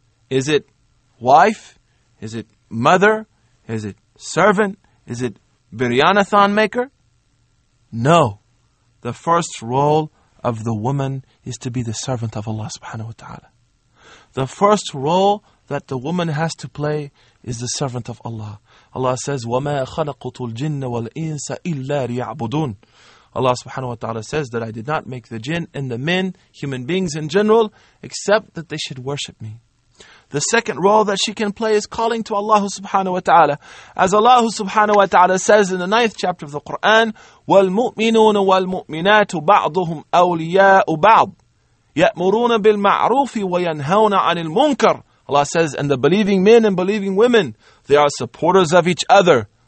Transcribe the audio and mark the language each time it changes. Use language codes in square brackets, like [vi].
[en] Is it wife? Is it mother? Is it servant? Is it biryanathon maker? No. The first role of the woman is to be the servant of Allah subhanahu wa ta'ala. The first role that the woman has to play is the servant of Allah. Allah says, [ar] وَمَا خَلَقُتُ الْجِنَّ وَالْإِنسَ إِلَّا لِيَعْبُدُونَ. [en] Allah subhanahu wa ta'ala says that I did not make the jinn and the men, human beings in general, except that they should worship me. The second role that she can play is calling to Allah subhanahu wa ta'ala. As Allah subhanahu wa ta'ala says in the 9th chapter of the Qur'an, [ar] وَالْمُؤْمِنُونَ وَالْمُؤْمِنَاتُ بَعْضُهُمْ أَوْلِيَاءُ بَعْضُ يَأْمُرُونَ بِالْمَعْرُوفِ وَيَنْهَوْنَ عَنِ الْمُنْكَرِ. [en] Allah says, and the believing men and believing women, they are supporters of each other.